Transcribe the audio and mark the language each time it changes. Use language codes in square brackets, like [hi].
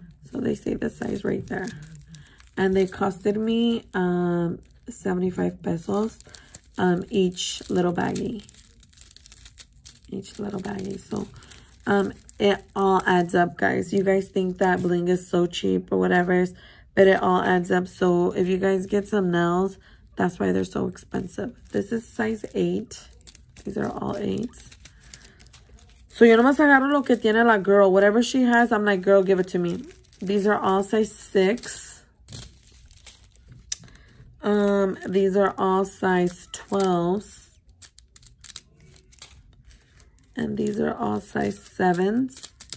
[en] So they say the size right there. And they costed me 75 pesos each little baggie. Each little baggie. So it all adds up, guys. You guys think that bling is so cheap or whatever, but it all adds up. So if you guys get some nails, that's why they're so expensive. This is size 8. These are all 8s. [es] So yo nomás agarro lo que tiene la girl. [en] Whatever she has, I'm like, girl, give it to me. These are all size 6. These are all size 12s. And these are all size 7s.